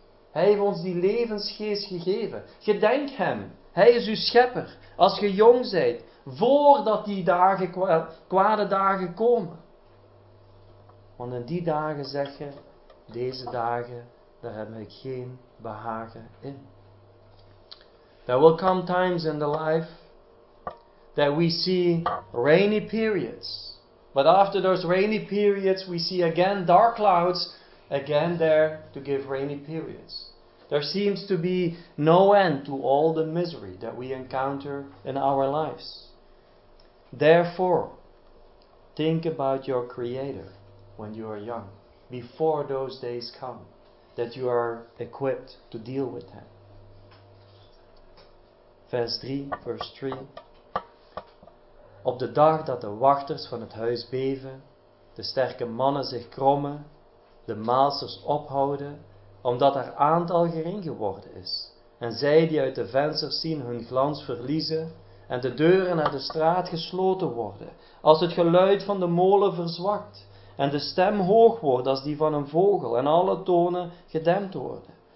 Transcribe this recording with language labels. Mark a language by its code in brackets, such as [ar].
[nl] Hij heeft ons die levensgeest gegeven. Gedenk hem, hij is uw schepper. Als je jong zijt, voordat die dagen, kwade dagen komen. Want in die dagen zeg je, deze dagen, daar heb ik geen behagen in. [en] There will come times in the life that we see rainy periods. But after those rainy periods, we see again dark clouds, again there to give rainy periods. There seems to be no end to all the misery that we encounter in our lives. Therefore, think about your Creator when you are young, before those days come, that you are equipped to deal with them. [nl] Vers 3. Op de dag dat de wachters van het huis beven, de sterke mannen zich krommen, de maalsters ophouden, omdat haar aantal gering geworden is, en zij die uit de vensters zien hun glans verliezen, en de deuren naar de straat gesloten worden, als het geluid van de molen verzwakt, en de stem hoog wordt als die van een vogel, en alle tonen gedempt worden.